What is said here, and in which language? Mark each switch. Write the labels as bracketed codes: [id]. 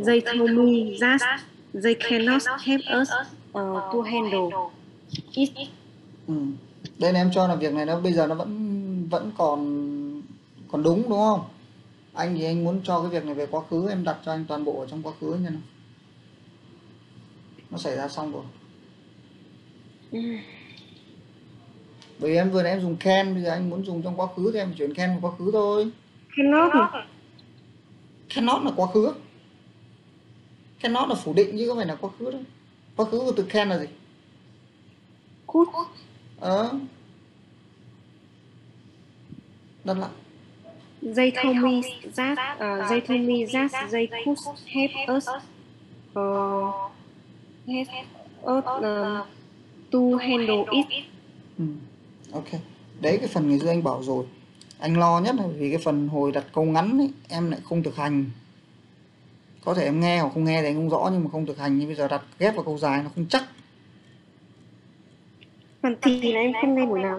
[en] They told me that they cannot help us to handle it. [vi] Đây này em cho là việc này nó bây giờ nó vẫn còn đúng không? Anh thì anh muốn cho cái việc này về quá khứ, em đặt cho anh toàn bộ ở trong quá khứ nha. Nó xảy ra xong rồi. Bởi vì em vừa nãy em dùng can, bây giờ anh muốn dùng trong quá khứ thì em chuyển can vào quá khứ thôi. [en] Cannot. [vi] Cannot là quá khứ. Cannot là phủ định chứ có phải là quá khứ đâu. Quá khứ của từ can là gì? [en] Could. Ờ. [vi] Đặt lại. [en] They told me that they could help us to handle it. [vi] Ok, đấy cái phần ngày xưa anh bảo rồi. Anh lo nhất là vì cái phần hồi đặt câu ngắn ấy, em lại không thực hành. Có thể em nghe hoặc không nghe thì anh không rõ, nhưng mà không thực hành. Nhưng bây giờ đặt ghép vào câu dài nó không chắc. Phần thì là em không nghe buổi nào